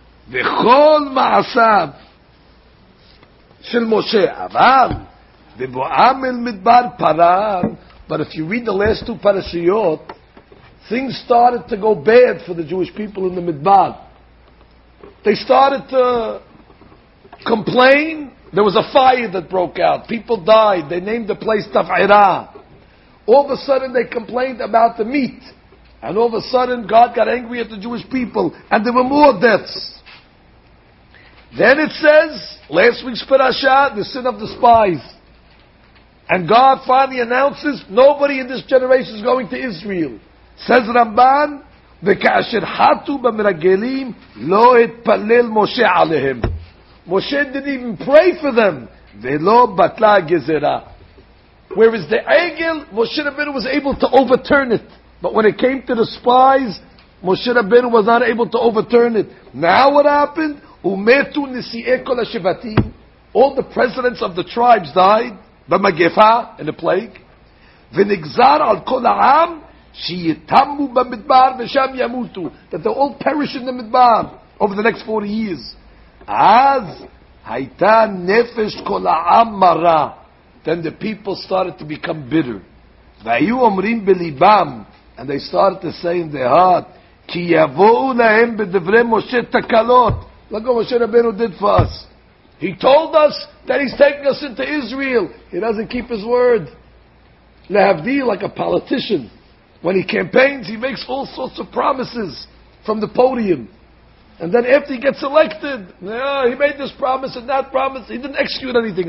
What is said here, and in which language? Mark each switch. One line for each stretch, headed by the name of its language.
Hebrew: וכל מעשיו של משה, אבל בבואם אל מדבר פרר.
English: But if you read the last two parashiyot, things started to go bad for the Jewish people in the Midbar. They started to complain. There was a fire that broke out. People died. They named the place Taf'ira. All of a sudden they complained about the meat. And all of a sudden God got angry at the Jewish people. And there were more deaths. Then it says, last week's parasha, the sin of the spies. And God finally announces, nobody in this generation is going to Israel. Says Ramban,
Hebrew: וכאשר חטו במרגלים, לא התפלל משה עליהם.
English: Moshe didn't even pray for them.
Hebrew: ולא בטלה גזרה.
English: Whereas the Egel, Moshe Rabbeinu was able to overturn it. But when it came to the spies, Moshe Rabbeinu was not able to overturn it. Now what happened?
Hebrew: ומתו נשיאי כל השבטים.
English: All the presidents of the tribes died.
Hebrew: במגפה,
English: in the plague.
Hebrew: ונגזר על כל העם, שיתמו במדבר ושם ימותו.
English: That they all perish in the midbar over the next 40 years.
Hebrew: אז הייתה נפש כל העם מרה.
English: Then the people started to become bitter.
Hebrew: והיו אומרים בליבם,
English: and they started to say in their heart,
Hebrew: כי יבואו להם בדברי משה תקלות.
English: Look what Moshe Rabbeinu did for us. He told us that he's taking us into Israel. He doesn't keep his word. Lehavdil, like a politician. When he campaigns, he makes all sorts of promises from the podium. And then after he gets elected, yeah, he made this promise and that promise. He didn't execute anything.